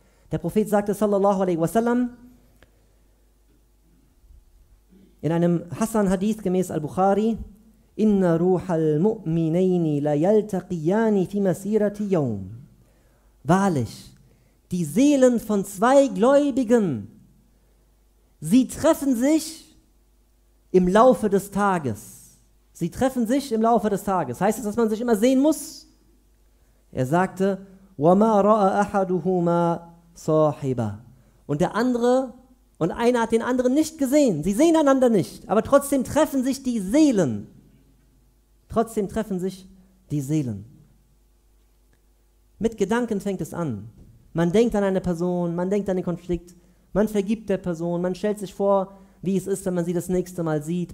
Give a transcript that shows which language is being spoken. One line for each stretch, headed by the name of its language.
German: Der Prophet sagte sallallahu alaihi wasallam in einem Hassan-Hadith gemäß Al-Bukhari:
Arabic: Inna ruhal mu'minaini la yaltaqiyani fi masirati yawm.
German: Wahrlich, die Seelen von zwei Gläubigen, sie treffen sich im Laufe des Tages. Sie treffen sich im Laufe des Tages. Heißt das, dass man sich immer sehen muss? Er sagte:
Arabic: وَمَا رَأَ أَحَدُهُمَا صَاحِبًا.
German: Und der andere, und einer hat den anderen nicht gesehen. Sie sehen einander nicht, aber trotzdem treffen sich die Seelen. Trotzdem treffen sich die Seelen. Mit Gedanken fängt es an. Man denkt an eine Person, man denkt an den Konflikt. Man vergibt der Person, man stellt sich vor, wie es ist, wenn man sie das nächste Mal sieht.